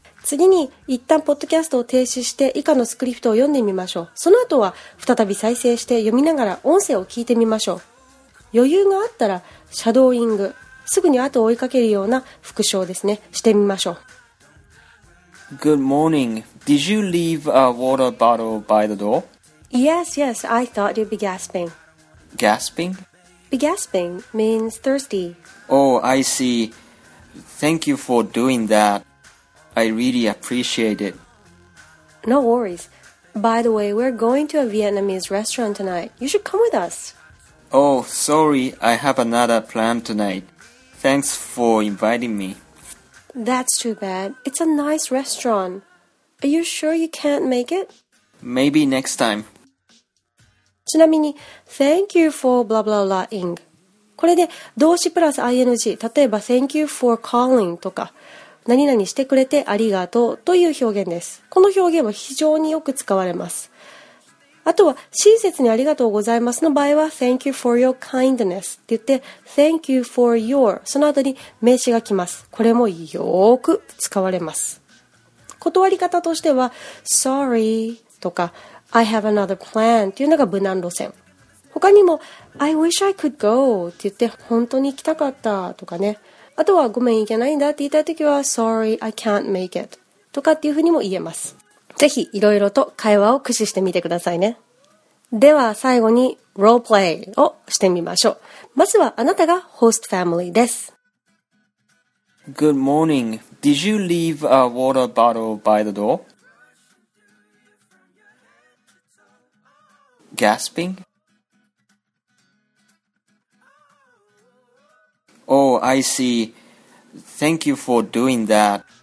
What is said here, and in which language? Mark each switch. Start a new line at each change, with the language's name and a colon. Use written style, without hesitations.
Japanese: 次に一旦ポッドキャストを停止して以下のスクリプトを読んでみましょう。その後は再び再生して読みながら音声を聞いてみましょう。余裕があったらシャドーイング、すぐに後を追いかけるような復唱ですね、してみましょう。
English: Good morning. Did you leave a water bottle by the door? Yes, yes. I thought you'd be gasping. Gasping? Be gasping means thirsty. Oh, I see. Thank you for doing thatI really appreciate it. No worries. By the way, we're going to a Vietnamese restaurant tonight. You should come with us. Oh, sorry. I have another plan tonight. Thanks for inviting me. That's too bad. It's a nice restaurant. Are you sure you can't make it? Maybe next time. ちなみに、Thank you for blah blah blah ing.
Japanese: これで動詞プラス ing、例えば
English: Thank you for calling
Japanese: とか、何々してくれてありがとうという表現です。この表現は非常によく使われます。あとは、親切にありがとうございますの場合は、
English: Thank you for your kindness
Japanese: って言って、
English: Thank you for your、
Japanese: その後に名詞が来ます。これもよく使われます。断り方としては、Sorry とか、
English: I have another plan
Japanese: っていうのが無難路線。他にも、
English: I wish I could go
Japanese: って言って、本当に行きたかったとかね。あとは、ごめん行けないんだって言いたいときは、
English: Sorry, I can't make it
Japanese: とかっていうふうにも言えます。ぜひいろいろと会話を駆使してみてくださいね。では最後にロールプレイをしてみましょう。まずはあなたがホストファミリーです。
English: Good morning. Did you leave a water bottle by the door? Gasping? Oh, I see. Thank you for doing that.